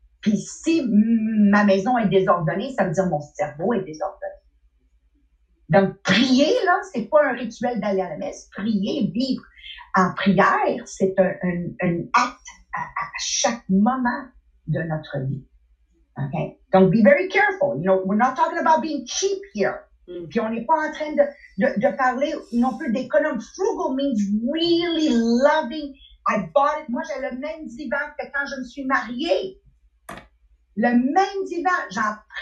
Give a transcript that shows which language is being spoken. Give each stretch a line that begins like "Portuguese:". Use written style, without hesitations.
French: Puis si ma maison est désordonnée, ça veut dire mon cerveau est désordonné. Donc, prier, là, c'est pas un rituel d'aller à la messe. Prier, vivre en prière, c'est un acte à chaque moment de notre vie.
English: Okay? Donc, be very careful. You know, we're not talking about being cheap here. Mm.
French: Puis, on n'est pas en train de parler non plus d'économie.
English: Frugal means really loving. I bought it.
French: Moi, j'ai le même divan que quand je me suis mariée. Le même divan.